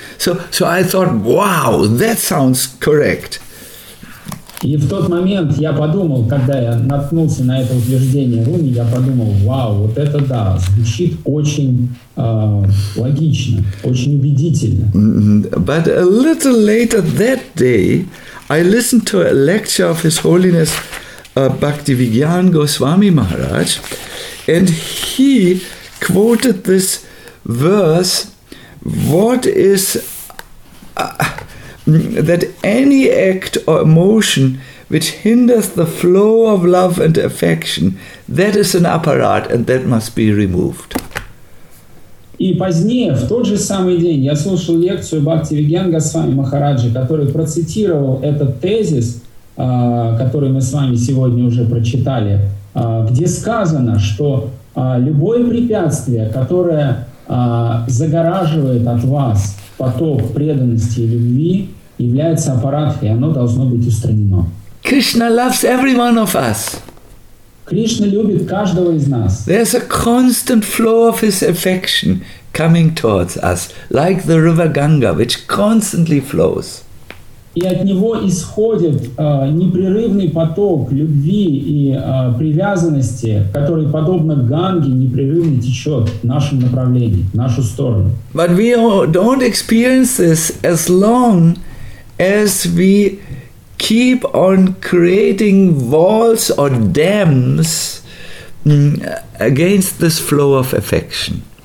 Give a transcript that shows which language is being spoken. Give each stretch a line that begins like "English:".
English: So I thought, wow, that sounds correct.
Russian: И в тот момент я подумал, когда я наткнулся на это утверждение Руми, я подумал, вау, вот это да, звучит очень логично, очень убедительно.
English: But a little later that day, I listened to a lecture of His Holiness Bhaktivigyan Goswami Maharaj, and he quoted this verse, what is... that any act or emotion which hinders the flow of love and affection, that is an apparat, and that must be removed.
Russian: И позднее, в тот же самый день, я слушал лекцию Бхактивигьян Госвами Махараджи, который процитировал этот тезис, который мы с вами сегодня уже прочитали, где сказано, что любое препятствие, которое загораживает от вас поток преданности и любви, является аппаратом, и оно должно быть устранено.
English: Krishna loves every one of us.
Russian: Кришна любит каждого из нас.
English: There's a constant flow of his affection coming towards us, like the river Ganga, which constantly flows.
Russian: И от него исходит непрерывный поток любви и привязанности, который подобно Ганге непрерывно течет в нашем направлении, в нашу сторону.
English: But we don't experience this as long as we keep on creating walls or dams against this flow of affection.